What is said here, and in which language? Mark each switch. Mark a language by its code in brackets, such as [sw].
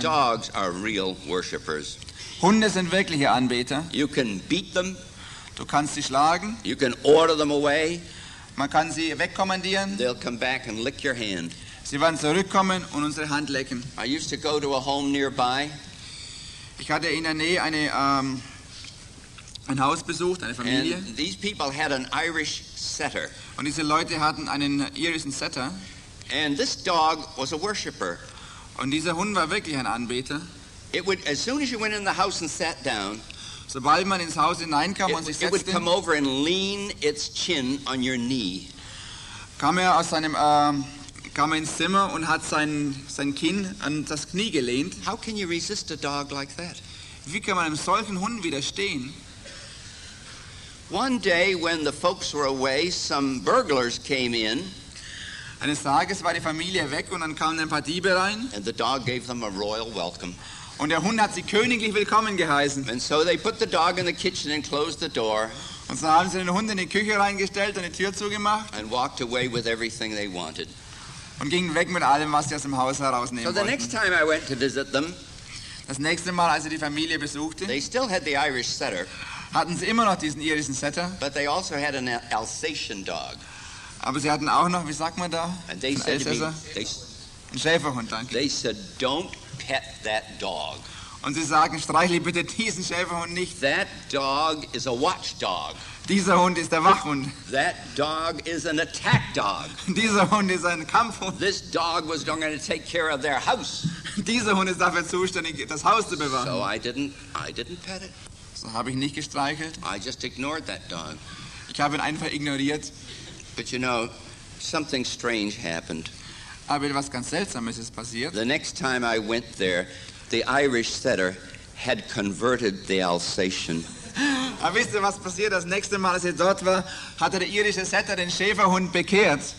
[en] Dogs are real worshippers. [de] Hunde sind wirkliche Anbeter. [en] You can beat them. [de] Du kannst sie schlagen. [en] You can order them away. [de] Man kann sie wegkommandieren. [en] They'll come back and lick your hand. [de] Sie werden zurückkommen und unsere Hand lecken. [en] I used to go to a home nearby. [de] Ich hatte in der Nähe eine ein Haus besucht, eine Familie. [en] And these people had an Irish setter. [de] Und diese Leute hatten einen irischen Setter. [en] And this dog was a worshipper. [de] Und dieser Hund war wirklich ein Anbeter. [en] It would, as soon as you went in the house and sat down, [de] sobald man ins Haus hineinkam und sich setzte, [en] it would come over and lean its chin on your knee. [de] Kam aus seinem kam ins Zimmer und hat sein Kinn an das Knie gelehnt. [en] How can you resist a dog like that? [de] Wie kann man einem solchen Hund widerstehen? [en] One day when the folks were away, some burglars came in. [de] Eines Tages war die Familie weg und dann kamen ein paar Diebe rein. [en] And the dog gave them a royal welcome. [de] Und der Hund hat sie königlich willkommen geheißen. [en] And so they put the dog in the kitchen and closed the door. [de] Und so haben sie den Hund in die Küche reingestellt und die Tür zugemacht. [en] And walked away with everything they wanted. [de] Und gingen weg mit allem, was sie aus dem Haus herausnehmen wollten. [en] So the next time I went to visit them, [de] das nächste Mal, als ich die Familie besuchte, [en] they still had the Irish setter. [de] Hatten sie immer noch diesen irischen Setter. [en] But they also had an Alsatian dog. [de] Aber sie hatten auch noch, wie sagt man da? [en] And they said to me, [de] ein Schäferhund, danke. [en] They said, don't pet that dog. [de] Und sie sagen, streichle bitte diesen Schäferhund nicht. [en] That dog is a watchdog. [de] Dieser Hund ist der Wachhund. [en] That dog is an attack dog. [de] Dieser Hund ist ein Kampfhund. [en] This dog was going to take care of their house. [de] Dieser Hund ist dafür zuständig, das Haus zu bewachen. [en] So I didn't pet it. [de] So habe ich nicht gestreichelt. [en] I just ignored that dog. [de] Ich habe ihn einfach ignoriert. [en] But you know, something strange happened. [de] Aber etwas ganz Seltsames ist passiert. [en] The next time I went there, the Irish setter had converted the Alsatian. [de] Aber wisst ihr, was passiert? Das nächste Mal, als ich dort war, hatte der irische Setter den Schäferhund bekehrt.